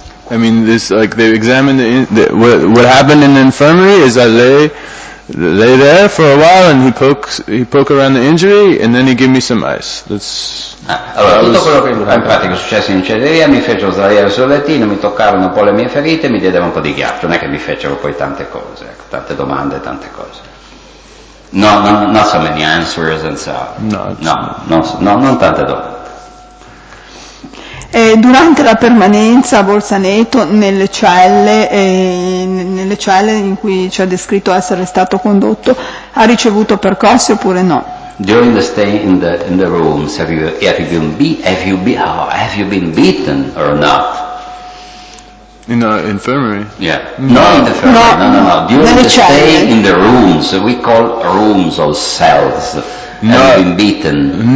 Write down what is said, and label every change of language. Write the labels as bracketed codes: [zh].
[en] I mean, this like they examine the what happened in the infirmary is I lay lay there for a while and he poke around the injury and then he give me some ice. That's [it] allora, tutto quello che in pratica è successo in celleria, mi fecero sdraiare sul lettino, mi toccarono un po' le mie ferite, mi diedero un po' di ghiaccio, non è che mi fecero poi tante cose, tante domande, tante cose. [en] No, no, not so many answers and so. [it] No, non tante domande. Durante la permanenza a Bolzaneto, nelle celle in cui ci ha descritto essere stato condotto, ha ricevuto percosse oppure no? [en] During the stay in the rooms, have you been beaten or not? In the infirmary? Yeah. Not in the infirmary. No. During the stay in the rooms, we call rooms or cells. No. Have you been beaten?